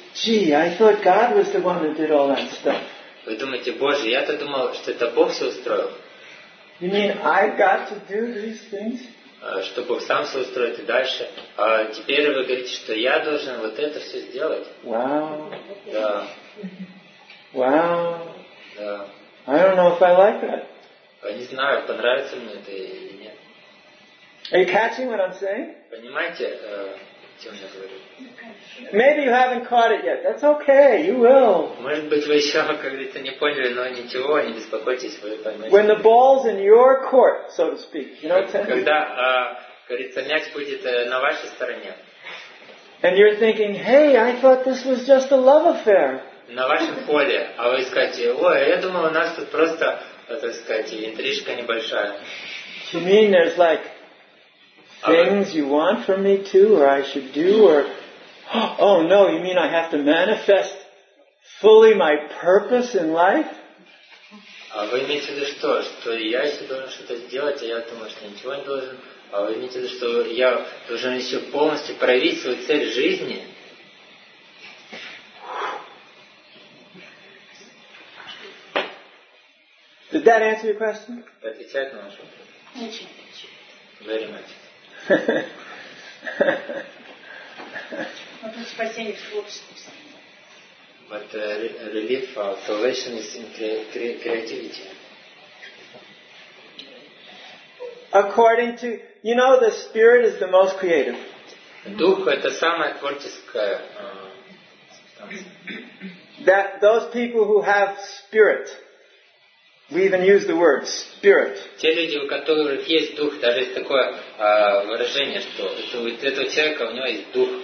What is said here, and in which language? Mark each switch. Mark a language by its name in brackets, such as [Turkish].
[English] Gee, I thought God was the one that did all that stuff. [Russian] Вы думаете, Боже, я-то думал, что это Бог все устроил. [English] You mean I got to do these things? [Russian] Что Бог сам все устроит и дальше. А теперь вы говорите, что я должен вот это все сделать. [English] Wow. [Russian] Да. [English] Wow. [Russian] Да. [English] I don't know if I like that. [Russian] Не знаю, понравится мне это или нет. [English] Are you catching what I'm saying? [Russian] Понимаете, чем я говорю? [English] Maybe you haven't caught it yet. That's okay. You will. [Russian] Может быть, вы еще, как говорится, не поняли, но ничего, не беспокойтесь, вы поймете. [English] When the ball's in your court, so to speak, you know what I'm saying? [Russian] Когда, как говорится, мяч будет на вашей стороне. [English] And you're thinking, hey, I thought this was just a love affair. [Russian] На вашем поле, а вы скажете, ой, я думал, у нас тут просто, так сказать, интрижка небольшая. [English] You mean there's like things you want from me too, or I should do, or oh no, you mean I have to manifest fully my purpose in life? [Russian] А вы имеете в виду что? Что я еще должен что-то сделать, а я думаю, что ничего не должен. А вы имеете в виду, что я должен еще полностью проявить свою цель жизни? [English] Did that answer your question? [Russian] Отвечает на ваш вопрос? [English] Very much. But relief, salvation is in creativity. According to, you know, the spirit is the most creative. [Russian] Дух это самая творческая субстанция. [English] That those people who have spirit. We even use the word spirit. [Russian] Те люди, у которых есть дух, даже есть такое выражение, что у этого человека у него есть дух.